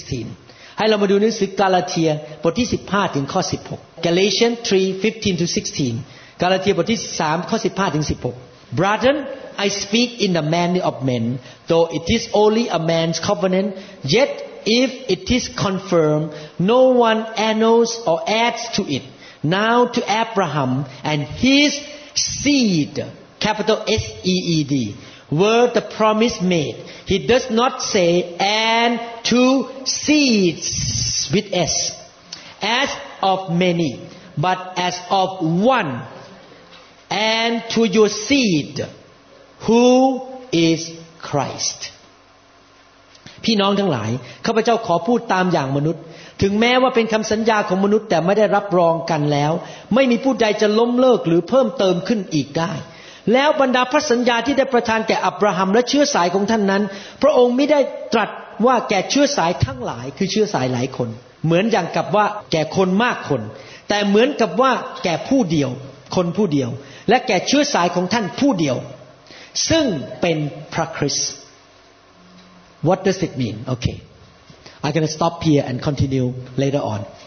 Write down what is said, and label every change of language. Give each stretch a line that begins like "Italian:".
Thai: 16ให้เรามาดูหนังสือกาลาเทียบทที่15ถึงข้อ16
English: Galatians 3 15 to 16
Thai: กาลาเทียบทที่3ข้อ15ถึง16
English: Brethren I speak in the manner of men though it is only a man's covenant yet if it is confirmed no one annuls or adds to itNow to Abraham and his seed, capital S-E-E-D, were the promise made. He does not say, and to seeds, with S, as of many, but as of one, and to your seed, who is Christ.
Thai: พี่น้องทั้งหลายข้าพเจ้าขอพูดตามอย่างมนุษย์ถึงแม้ว่าเป็นคำสัญญาของมนุษย์แต่ไม่ได้รับรองกันแล้วไม่มีผู้ใดจะล้มเลิกหรือเพิ่มเติมขึ้นอีกได้ แล้วบรรดาพระสัญญาที่ได้ประทานแก่อับราฮัมและเชื้อสายของท่านนั้นพระองค์ไม่ได้ตรัสว่าแก่เชื้อสายทั้งหลายคือเชื้อสายหลายคนเหมือนอย่างกับว่าแก่คนมากคนแต่เหมือนกับว่าแก่ผู้เดียวคนผู้เดียวและแก่เชื้อสายของท่านผู้เดียวซึ่งเป็นพระคริสต์
English: What does it mean okayI'm going to stop here and continue later on.